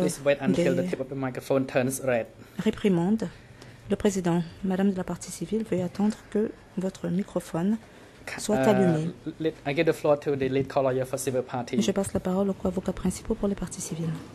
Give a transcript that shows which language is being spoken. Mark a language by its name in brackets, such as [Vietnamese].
[English] please wait until the tip of the microphone turns red. [French] Réprimande. Le président, Madame de la partie civile, veuillez attendre que votre microphone soit allumé. [English] I give the floor to the lead lawyer for Civil Party. [French] Je passe la parole aux avocats principaux pour les parties civiles.